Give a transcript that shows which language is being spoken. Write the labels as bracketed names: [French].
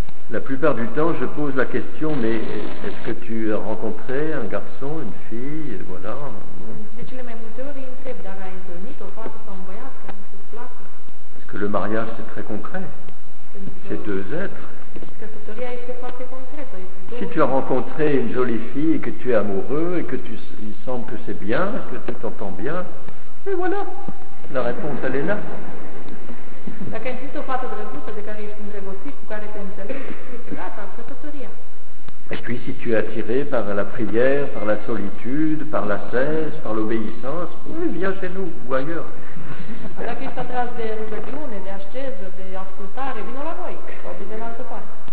[French] La plupart du temps, je pose la question, mais est-ce que tu as rencontré un garçon, une fille, voilà. [Romanian] De cele mai multe ori, întreb, dar ai întâlnit o fată sau un băiat care îți place? [French] Parce que le mariage, c'est très concret. C'est deux êtres. [Romanian] Căsătoria este foarte concrètă. [French] Si tu as rencontré une jolie fille et que tu es amoureux et que tu il semble que c'est bien, que tu t'entends bien, et voilà, la réponse, elle est là. [Romanian] Dacă ai întâlnit o fată drăguță de care ești îndrăgostit, cu care te înțelegi, gata, căsătoria. [French] Et puis si tu es attiré par la prière, par la solitude, par la cesse, par l'obéissance, oui, viens chez nous ou ailleurs. [Romanian] Dacă ești atras de rugăciune, de asceză, de ascultare, vino la noi, sau vino la altă parte.